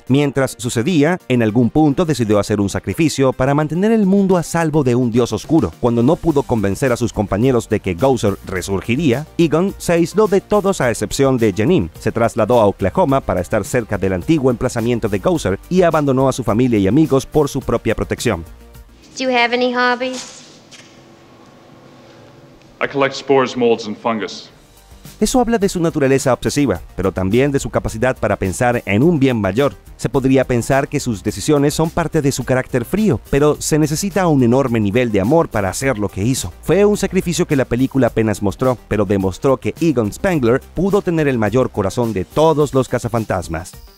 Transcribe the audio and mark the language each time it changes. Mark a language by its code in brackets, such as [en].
[es] Mientras sucedía, en algún punto decidió hacer un sacrificio para mantener el mundo a salvo de un dios oscuro. Cuando no pudo convencer a sus compañeros de que Gozer resurgiría, Egon se aisló de todos a excepción de Janine, se trasladó a Oklahoma para estar cerca del antiguo emplazamiento de Gozer y abandonó a su familia y amigos por su propia protección. [en] Do you have any hobbies? I collect spores, molds and fungus. [es] Eso habla de su naturaleza obsesiva, pero también de su capacidad para pensar en un bien mayor. Se podría pensar que sus decisiones son parte de su carácter frío, pero se necesita un enorme nivel de amor para hacer lo que hizo. Fue un sacrificio que la película apenas mostró, pero demostró que Egon Spengler pudo tener el mayor corazón de todos los cazafantasmas.